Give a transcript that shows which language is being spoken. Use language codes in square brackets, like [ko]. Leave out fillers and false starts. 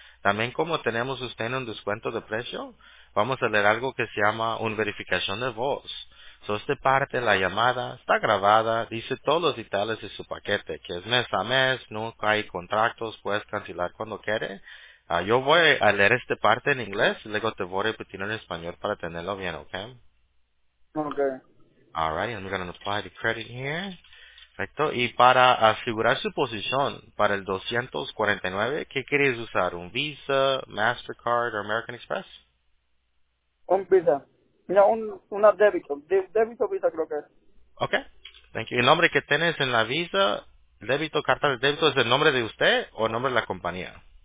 [es] También como tenemos usted en un descuento de precio, vamos a leer algo que se llama una verificación de voz. So, esta parte, la llamada, está grabada, dice todos los detalles de su paquete, que es mes a mes, nunca hay contratos, puedes cancelar cuando quieres. Yo voy a leer esta parte en inglés, y luego te voy a repetir en español para tenerlo bien, ¿ok? [en] Okay. Alright, I'm going to apply the credit here. [es] Perfecto. Y para asegurar su posición para el 249, ¿qué quieres usar? ¿Un Visa, Mastercard o American Express? Un Visa, no, una débito, débito Visa creo que es. [en] Ok, thank you. [es] ¿El nombre que tienes en la Visa, débito, carta de débito, es el nombre de usted o el nombre de la compañía?